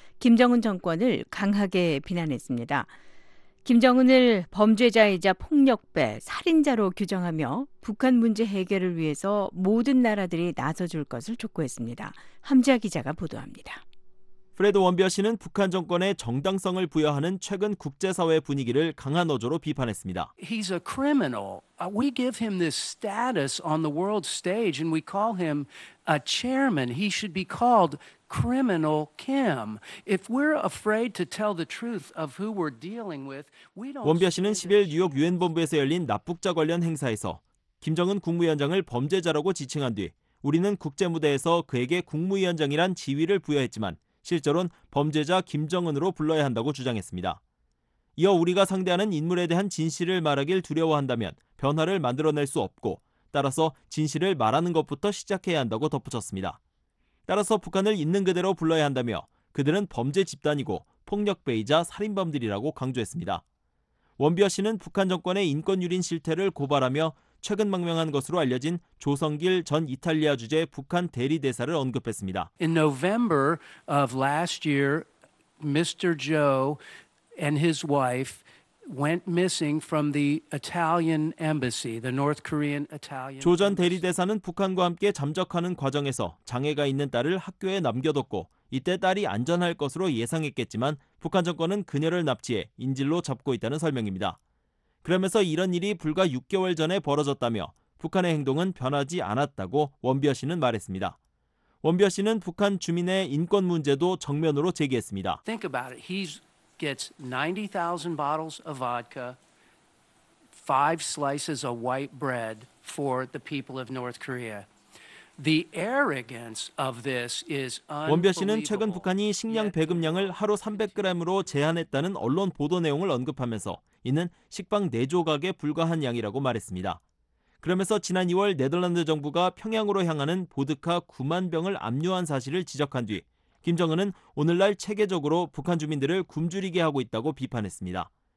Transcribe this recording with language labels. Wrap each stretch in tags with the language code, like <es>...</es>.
<ko>김정은 정권을 강하게 비난했습니다. 김정은을 범죄자이자 폭력배, 살인자로 규정하며 북한 문제 해결을 위해서 모든 나라들이 나서줄 것을 촉구했습니다. 함지아 기자가 보도합니다. 프레드 원비어 씨는 북한 정권의 정당성을 부여하는 최근 국제사회 분위기를 강한 어조로 비판했습니다.</ko> <en>He's a criminal. We give him this status on the world stage and we call him a chairman. He should be called criminal Kim. If we're afraid to tell the truth of who we're dealing with, we don't.</en> <ko>원비어 씨는 11일 뉴욕 유엔 본부에서 열린 납북자 관련 행사에서 김정은 국무위원장을 범죄자라고 지칭한 뒤 우리는 국제 무대에서 그에게 국무위원장이란 지위를 부여했지만 실제로는 범죄자 김정은으로 불러야 한다고 주장했습니다. 이어 우리가 상대하는 인물에 대한 진실을 말하길 두려워한다면 변화를 만들어낼 수 없고 따라서 진실을 말하는 것부터 시작해야 한다고 덧붙였습니다. 따라서 북한을 있는 그대로 불러야 한다며 그들은 범죄 집단이고 폭력배이자 살인범들이라고 강조했습니다. 원비어 씨는 북한 정권의 인권 유린 실태를 고발하며 최근 망명한 것으로 알려진 조성길 전 이탈리아 주재 북한 대리 대사를 언급했습니다.</ko> <en>In November of last year, Mr. Joe and his wife went missing from the Italian embassy, the North Korean Italian.</en> <ko>조 전 대리 대사는 북한과 함께 잠적하는 과정에서 장애가 있는 딸을 학교에 남겨뒀고 이때 딸이 안전할 것으로 예상했겠지만 북한 정권은 그녀를 납치해 인질로 잡고 있다는 설명입니다. 그러면서 이런 일이 불과 6개월 전에 벌어졌다며 북한의 행동은 변하지 않았다고 원비어 씨는 말했습니다. 원비어 씨는 북한 주민의 인권 문제도 정면으로 제기했습니다.</ko> <en>Think about it. He gets 90,000 bottles of vodka, five slices of white bread for the people of North Korea. The arrogance of this is unbelievable.</en> <ko>원비어 씨는 최근 북한이 식량 배급량을 하루 300g으로 제한했다는 언론 보도 내용을 언급하면서 이는 식빵 4조각에 불과한 양이라고 말했습니다. 그러면서 지난 2월 네덜란드 정부가 평양으로 향하는 보드카 9만 병을 압류한 사실을 지적한 뒤 김정은은 오늘날 체계적으로 북한 주민들을 굶주리게 하고 있다고 비판했습니다.</ko>